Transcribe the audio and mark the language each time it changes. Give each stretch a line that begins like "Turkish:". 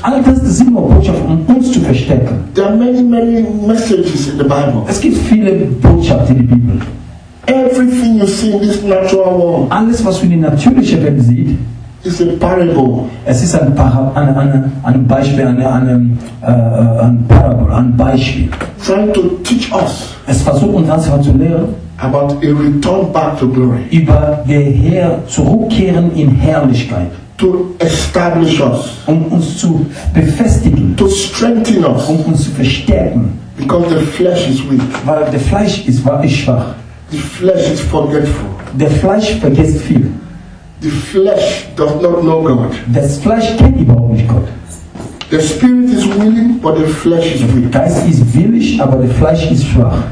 German: All das sind nur Botschaften, um uns zu verstärken.
English: There are many, many messages in the Bible.
German: Es gibt viele Botschaften in der Bibel.
English: Everything you see in this natural world.
German: Alles, was wir in der natürlichen Welt sehen.
English: It's a parable.
German: Es ist ein Parabel, ein Beispiel.
English: Trying to teach us.
German: Es versucht uns einfach zu lehren.
English: About a return back to glory.
German: Über der Herr zurückkehren in Herrlichkeit.
English: To establish us.
German: Um uns zu befestigen.
English: To strengthen us.
German: Um uns zu verstärken.
English: Because the flesh is weak.
German: Weil der Fleisch ist schwach.
English: The flesh is forgetful.
German: Der Fleisch vergisst viel.
English: The flesh does not know God.
German: Das Fleisch kennt überhaupt nicht Gott.
English: The spirit is willing, but the flesh is weak.
German: Geist ist willig, aber der Fleisch ist schwach.